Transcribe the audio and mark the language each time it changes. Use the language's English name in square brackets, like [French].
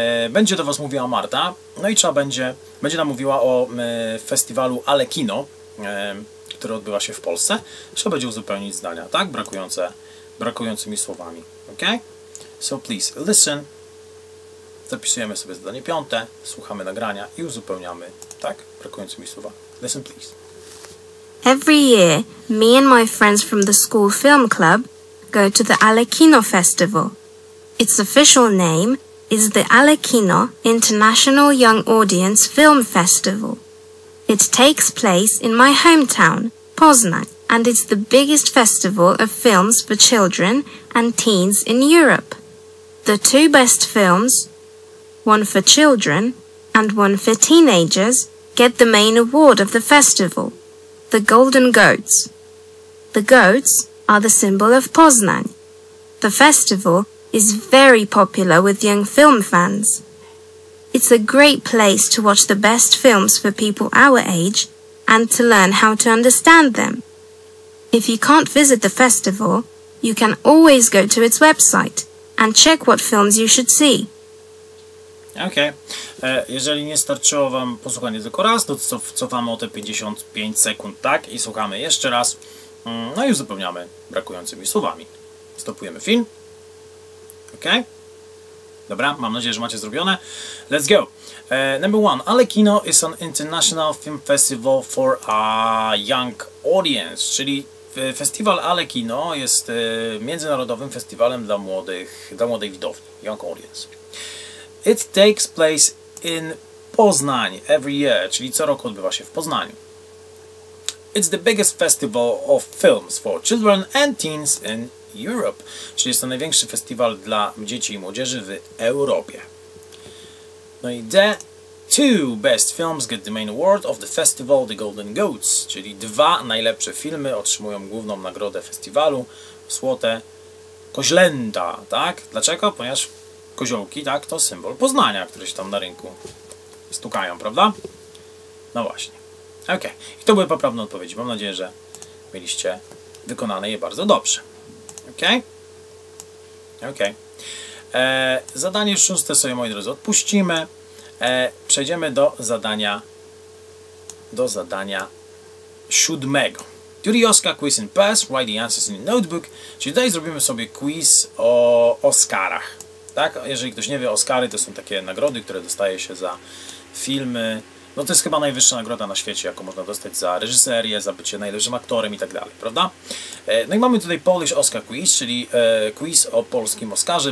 [Polish] Będzie do was mówiła Marta. No i trzeba będzie, będzie nam mówiła o festiwalu Ale Kino, który odbywa się w Polsce. Trzeba będzie uzupełnić zdania, tak? Brakującymi słowami. Ok? [English] So please, listen. [Polish] Zapisujemy sobie zadanie piąte, słuchamy nagrania i uzupełniamy, tak, brakującymi słowa. [English] Listen, please. Every year, me and my friends from the school film club go to the Ale Kino Festival. Its official name is the Ale Kino International Young Audience Film Festival. It takes place in my hometown, Poznań, and it's the biggest festival of films for children and teens in Europe. The two best films, one for children and one for teenagers, get the main award of the festival, the Golden Goats. The goats are the symbol of Poznań. The festival is very popular with young film fans. It's a great place to watch the best films for people our age and to learn how to understand them. If you can't visit the festival, you can always go to its website and check what films you should see. Ok. [Polish] Jeżeli nie starczyło wam posłuchanie tylko raz, to cofamy o te 55 sekund, tak? I słuchamy jeszcze raz. No i uzupełniamy brakującymi słowami. Stopujemy film. Ok? Dobra, mam nadzieję, że macie zrobione. [English] Let's go. Number one. Ale Kino is an international film festival for a young audience. [Polish] Czyli festiwal Ale Kino jest międzynarodowym festiwalem dla młodej widowni. [English] Young audience. It takes place in Poznań every year, [Polish] czyli co roku odbywa się w Poznaniu. [English] It's the biggest festival of films for children and teens in Europe, [Polish] czyli jest to największy festiwal dla dzieci i młodzieży w Europie. No i [English] the two best films get the main award of the festival, the Golden Goats, [Polish] czyli dwa najlepsze filmy otrzymują główną nagrodę festiwalu, złote koźlęta, tak? Dlaczego? Ponieważ koziołki, tak, to symbol Poznania, które się tam na rynku stukają, prawda? No właśnie. Ok. I to były poprawne odpowiedzi. Mam nadzieję, że mieliście wykonane je bardzo dobrze. Ok? Ok. Zadanie szóste sobie, moi drodzy, odpuścimy. Przejdziemy do zadania siódmego. [English] Do the Oscar quiz in Perth, write the answers in the notebook. [Polish] Czyli tutaj zrobimy sobie quiz o Oscarach. Tak? Jeżeli ktoś nie wie, Oscary to są takie nagrody, które dostaje się za filmy No to jest chyba najwyższa nagroda na świecie, jaką można dostać za reżyserię, za bycie najlepszym aktorem i tak dalej, prawda? No i mamy tutaj [English] Polish Oscar Quiz, [Polish] czyli quiz o polskim Oscarze.